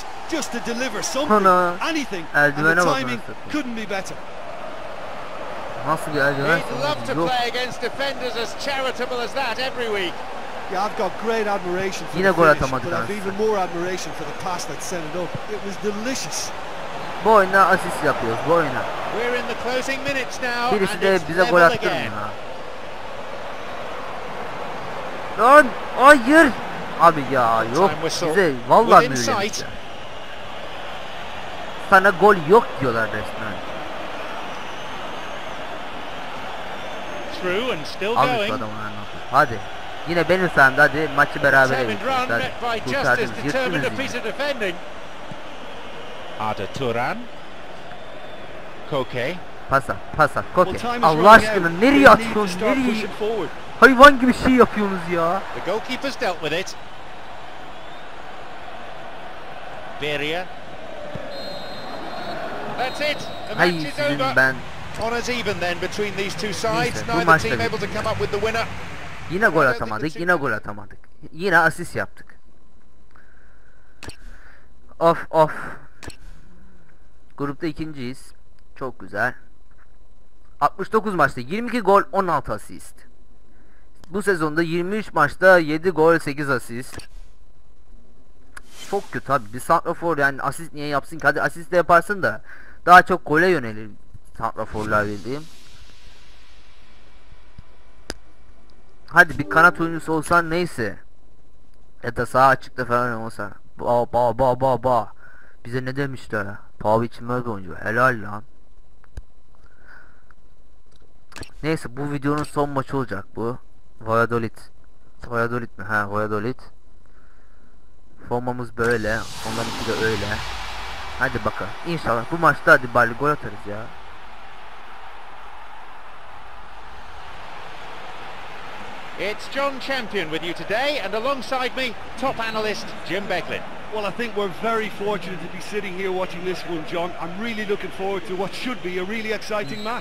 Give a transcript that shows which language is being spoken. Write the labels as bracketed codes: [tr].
[en] Just to deliver something, anything, and the timing couldn't be better. He'd love to play against defenders as charitable as that every week. Yeah, I've got great admiration for the finish, but I've even more admiration for the pass that sent it up. It was delicious. [tr] Boyna asist yapıyoruz, boyna. [en] We're in the closing minutes now. [tr] Birisi de bize gol attırmıyor. Lan, hayır. Abi ya, yok. Bize vallahi mühürlenmiş ya. Sana gol yok diyorlar resmen. [en] Through and still going. [tr] Almış adam ona nokta. Hadi. Yine benim sayemde hadi maçı berabere getirdik. Hadi. Kurtardınız. Yırtınız yine. Arda Turan. Koke. Pasa. Pasa. Koke. Allah aşkına nereye atıyorsunuz? Nereye? Hayvan gibi şey yapıyorsunuz ya. [en] The goalkeeper's dealt with it. Beria. [tr] Hayır, sizin ben. [en] Honors even then between these two sides. Neither team [tr] bitti. [en] Able to come up with the winner. [tr] Yine gol atamadık, yine gol atamadık. Yine asist yaptık. Of of. Grupta ikinciyiz. Çok güzel. 69 maçta 22 gol, 16 asist. Bu sezonda 23 maçta 7 gol, 8 asist. Çok kötü abi. Bir santrafor yani asist niye yapsın ki? Hadi asist de yaparsın da. Daha çok gole yönelim santraforlar bildiğim. Hadi bir kanat oyuncusu olsan neyse. Ya da sağ açıkta falan olsa. Ba ba ba ba ba. Bize ne demişler? Pahalı içmez oyuncu. Helal lan. Neyse bu videonun son maçı olacak bu. Valladolid. Valladolid mi? He Valladolid. Formamız böyle. Onlarınki de öyle. Hadi bakalım. İnşallah bu maçta hadi bari gol atarız ya. [en] It's John Champion with you today and alongside me top analyst Jim Beglin. Well, I think we're very fortunate to be sitting here watching this one, John. I'm really looking forward to what should be a really exciting match.